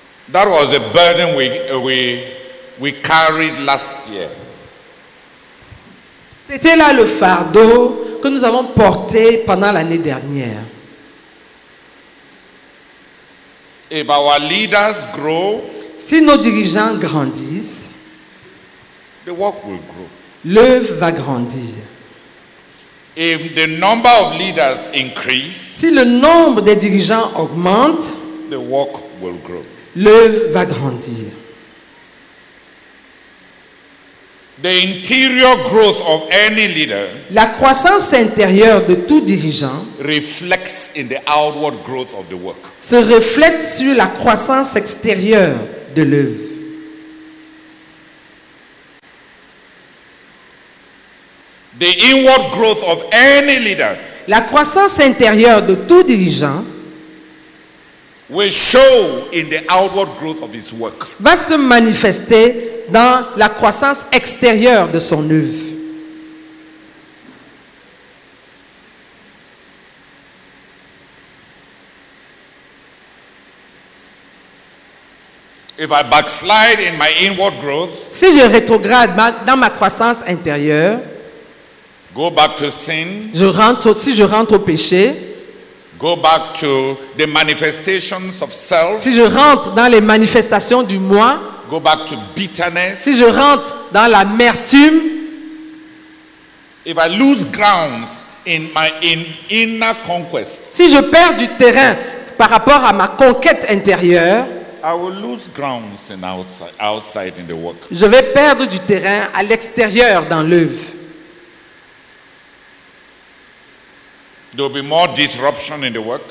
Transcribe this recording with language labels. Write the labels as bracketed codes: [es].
[en] That was the burden we carried last year. [fr] C'était là le fardeau que nous avons porté pendant l'année dernière. [en] If our leaders grow, [fr] si nos dirigeants grandissent, [en] the work will grow. [fr] L'œuvre va grandir. [en] If the number of leaders increase, [fr] si le nombre des dirigeants augmente, [en] the work will grow. [fr] L'œuvre va grandir. [en] The interior growth of any leader, [fr] la croissance intérieure de tout dirigeant, [en] reflects in the outward growth of the work. [fr] Se reflète sur la croissance extérieure de l'œuvre. [en] The inward growth of any leader, [fr] la croissance intérieure de tout dirigeant, [en] will show in the outward growth of his work. [fr] Va se manifester dans la croissance extérieure de son œuvre. [en] A If I backslide in my inward growth, [fr] si je rétrograde dans ma croissance intérieure, [en] go back to sin, [fr] si je rentre au péché, [en] go back to the manifestations of self, [fr] si je rentre dans les manifestations du moi, [en] go back to bitterness, [fr] si je rentre dans l'amertume, [en] if I lose grounds in my inner conquest, [fr] si je perds du terrain par rapport à ma conquête intérieure, [en] I will lose grounds in outside in the work. [fr] Je vais perdre du terrain à l'extérieur dans l'œuvre. [en] There will be more disruption in the work.